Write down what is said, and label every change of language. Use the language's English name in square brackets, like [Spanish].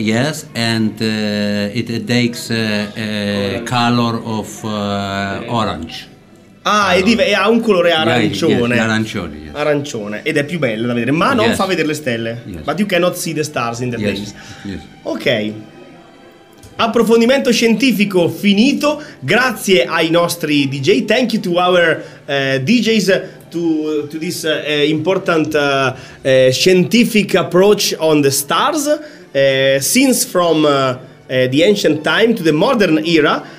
[English] Yes, and it takes a color of orange. [Italian] Ah, orange. E ha un colore arancione. [English] Yes, arancione, yes. [Italian] Arancione, ed è più bello da vedere, ma non yes. fa vedere le stelle. [English] Yes. But you cannot see the stars in the yes. days. Yes. [Italian] Ok. Approfondimento scientifico finito. Grazie ai nostri DJ. [English] Thank you to our DJs. To this important scientific approach on the stars since from the ancient time to the modern era.